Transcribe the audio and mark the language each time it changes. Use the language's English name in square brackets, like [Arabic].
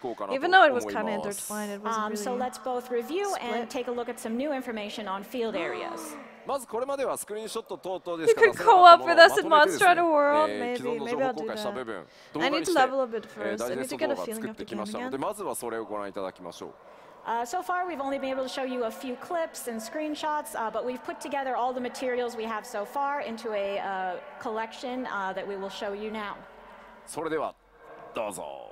[English] Even though it was kind of intertwined, it wasn't really. So let's both review split. And take a look at some new information on field areas. [Japanese] まずこれまではスクリーンショット等々ですからそのまとめてですね、既存の情報を公開した部分、動画にして、ダイジェスト動画を作ってきましたので、まずはそれをご覧いただきましょう。 [English] So far, we've only been able to show you a few clips and screenshots, but we've put together all the materials we have so far into a collection that we will show you now. [Japanese] それでは、どうぞ。